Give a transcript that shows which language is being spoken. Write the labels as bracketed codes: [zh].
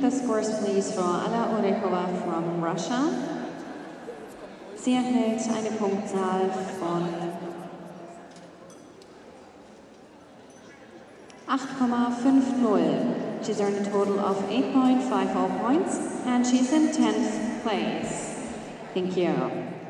[en] The scores, please, for Alla Orekova from Russia. [de] Sie erhält eine Punktzahl von 8,50. [en] She's earned a total of 8.50 points and she's in 10th place. Thank you.